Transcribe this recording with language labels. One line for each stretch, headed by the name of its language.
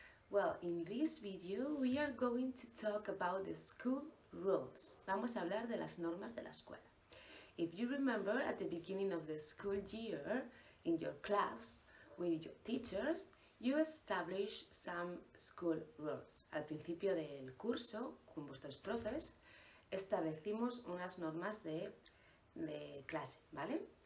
English: Well, in this video we are going to talk about the school rules.
Spanish: Vamos a hablar de las normas de la escuela.
English: If you remember at the beginning of the school year, in your class, with your teachers, you establish some school rules.
Spanish: Al principio del curso, con vuestros profes, establecimos unas normas de clase, ¿vale?